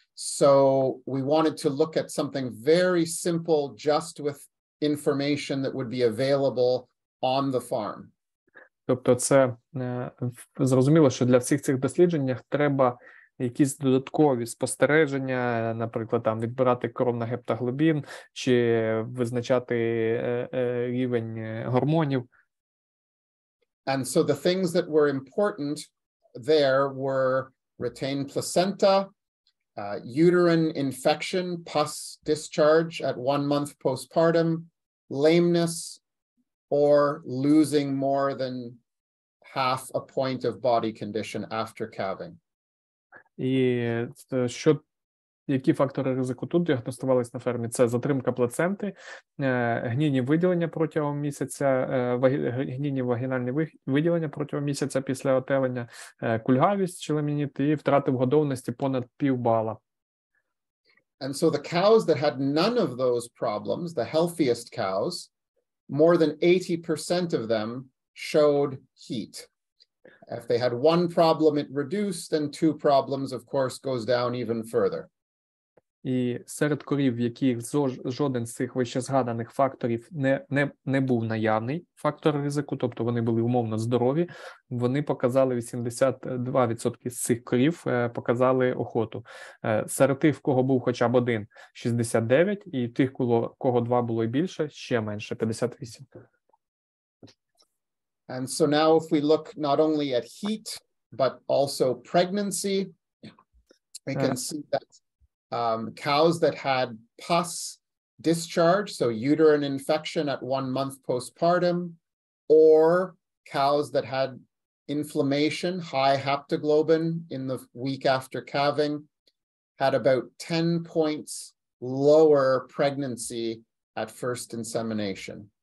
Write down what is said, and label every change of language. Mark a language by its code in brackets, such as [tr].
[en] So we wanted to look at something very simple, just with information that would be available on the farm. [uk] Тобто це зрозуміло, що для всіх цих дослідженнях треба якісь додаткові спостереження, наприклад, там відбирати кров на гептоглобін чи визначати рівень гормонів. [en] And so the things that were important there were retained placenta, uterine infection, pus discharge at 1 month postpartum, lameness, or losing more than half a point of body condition after calving. [uk] І що, які фактори ризику тут діагностувались на фермі? Це затримка плаценти, гнійні виділення протягом місяця, гнійні вагінальні виділення протягом місяця після отелення, кульгавість чи ламініт і втрати вгодовності понад пів бала. [en] And so the cows that had none of those problems, the healthiest cows, more than 80% of them showed heat. If they had one problem, it reduced, and two problems, of course, goes down even further. [uk] І серед корів, в яких жоден з цих вищезгаданих факторів не був наявний фактор ризику, тобто вони були умовно здорові, вони показали 82% з цих корів, показали охоту. Серед тих, в кого був хоча б один, 69%, і тих, у кого два було і більше, ще менше, 58%. [en] And so now if we look not only at heat, but also pregnancy, we can see that cows that had pus discharge, so uterine infection at 1 month postpartum, or cows that had inflammation, high haptoglobin in the week after calving, had about 10 points lower pregnancy at first insemination.